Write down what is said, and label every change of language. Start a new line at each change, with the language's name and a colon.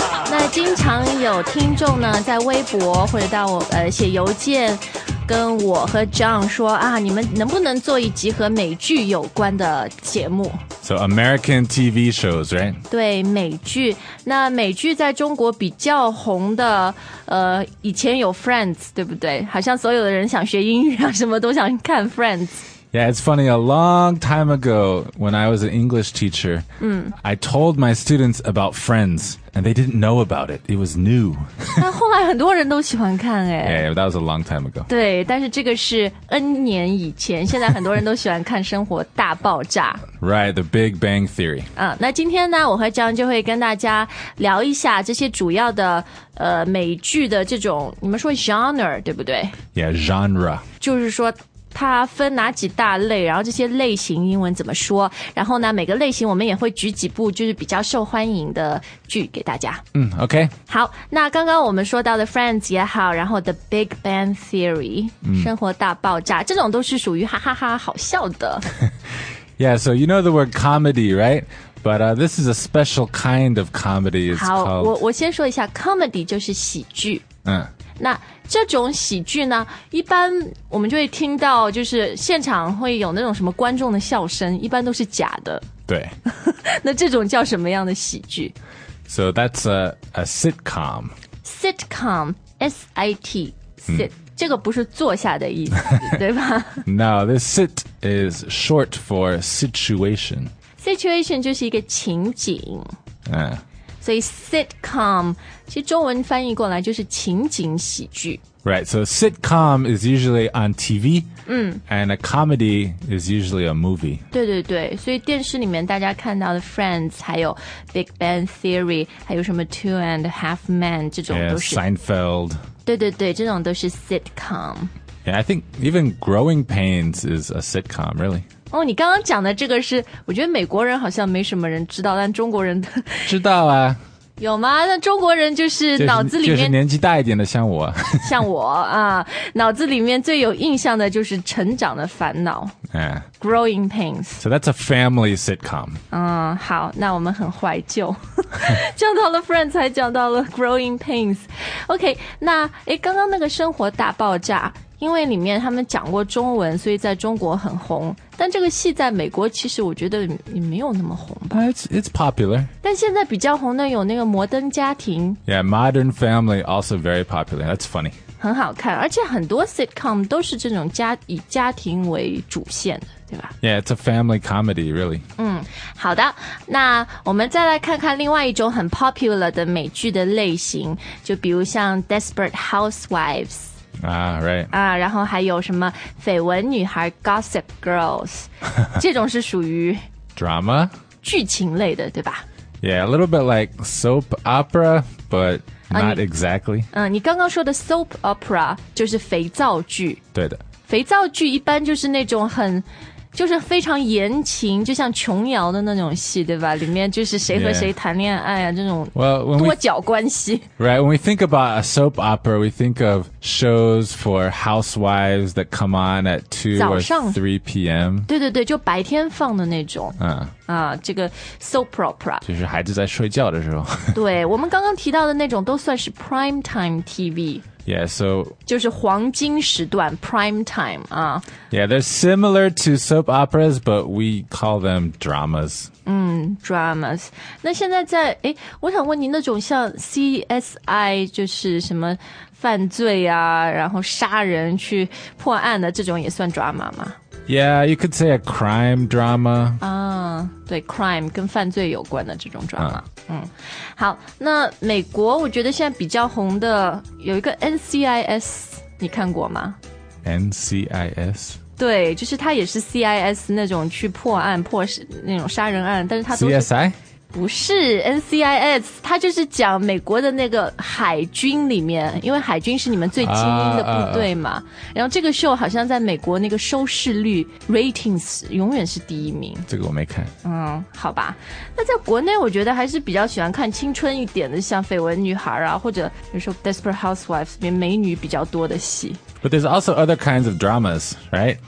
Chinese: 那经常有听众呢，在微博或者到我写邮件。跟我和 John 说啊，你们能不能做一集和美剧有关的节目
English: ？So American TV shows, right?
Chinese: 对，美剧。那美剧在中国比较红的，以前有 Friends， 对不对？好像所有的人想学英语啊，什么都想看 Friends。
English: Yeah, it's funny. A long time ago, when I was an English teacher, I told my students about Friends, and they didn't know about it. It was new.
Chinese: 但后来很多人都喜欢看哎。
English: Yeah, that was a long time ago.
Chinese: 对，但是这个是 N 年以前。现在很多人都喜欢看《生活大爆炸》。
English: Right, The Big Bang Theory.
Chinese: 那今天呢，我和江就会跟大家聊一下这些主要的美剧的这种，你们说 genre 对不对
English: ？Yeah, genre.
Chinese: 就是说。它分哪几大类，然后这些类型英文怎么说，然后呢每个类型我们也会举几部就是比较受欢迎的剧给大家。 OK，好，那刚刚我们说到的 Friends 也好，然后 The Big Bang Theory、生活大爆炸，这种都是属于哈哈 哈好笑的。
English: Yeah, so you know the word comedy, right? But this is a special kind of comedy. It's 好 called...
Chinese: 我先说一下 comedy 就是喜剧。那这种喜剧呢，一般我们就会听到，就是现场会有那种什么观众的笑声，一般都是假的。对。那这种叫什么样的喜剧
English: ？So that's a sitcom.
Chinese: Sitcom, S-I-T, sit.、这个不是坐下的意思，对吧
English: ？No, this sit is short for situation.
Chinese: Situation 就是一个情景。所以 sitcom 其实中文翻译过来就是情景喜剧
English: Right, so sitcom is usually on TV、And a comedy is usually a movie
Chinese: 对对对所以电视里面大家看到的 Friends 还有 Big Bang Theory 还有什么 Two and a Half Men 这种都是
English: yeah, Seinfeld
Chinese: 对对对这种都是 sitcom
English: Yeah, I think even Growing Pains is a sitcom, really
Chinese: 哦，你刚刚讲的这个是，我觉得美国人好像没什么人知道，但中国人知道啊，有吗？那中国人就是脑子里面、就是年纪大一点的，像我，像我啊，脑子里面最有印象的就是《成长的烦恼》Growing Pains。
English: So that's a family sitcom。
Chinese: 好，那我们很怀旧，讲到了 Friends， 还讲到了 Growing Pains。 OK， 那哎，刚刚那个《生活大爆炸》。因为里面他们讲过中文，所以在中国很红。但这个戏在美国其实我觉得也没有那么红吧。
English: It's popular.
Chinese: 但现在比较红的有那个《摩登家庭》。
English: Yeah, Modern Family also very popular. That's funny.
Chinese: 很好看，而且很多 sitcom 都是这种以家庭为主线的，对吧
English: ？Yeah, it's a family comedy, really.
Chinese: 好的，那我们再来看看另外一种很 popular 的美剧的类型，就比如像《Desperate Housewives》。
English: Right.
Chinese: 然后还有什么绯闻女孩 Gossip Girls 这种是属于
English: Drama
Chinese: 剧情类的对吧
English: Yeah, a little bit like soap opera But not exactly
Chinese: 你刚刚说的 soap opera 就是肥皂剧对的肥皂剧一般就是那种很就是非常言情就像琼瑶的那种戏对吧里面就是谁和谁谈恋爱啊、这种多角关系
English: Right, when we think about a soap opera We think of shows for housewives that come on at 2 or 3 p.m.
Chinese: 对对对就白天放的那种这个 soap opera 就是孩子在睡觉的时候对我们刚刚提到的那种都算是 primetime TV
English: Yeah, so...
Chinese: 就是黄金时段 prime time,
English: Yeah, they're similar to soap operas, but we call them dramas. Dramas.
Chinese: 那现在在,我想问你那种像 CSI, 就是什么犯罪啊,然后杀人去破案的这种也算 drama 吗?
English: Yeah, you could say a crime drama.
Chinese: 对 ,crime, 跟犯罪有关的这种 drama。好那美国我觉得现在比较红的有一个 NCIS 你看过吗
English: NCIS
Chinese: 对就是它也是 CIS 那种去破案破那种杀人案但是它都是
English: CSI
Chinese: 不是 NCIS 它就是讲美国的那个海军里面因为海军是你们最精英的部队嘛然后这个秀好像在美国那个收视率 ratings 永远是第一名这个我没看好吧那在国内我觉得还是比较喜欢看青春一点的像绯闻女孩啊或者比如说 Desperate Housewives 里面美女比较多的戏
English: But there's also other kinds of dramas, right?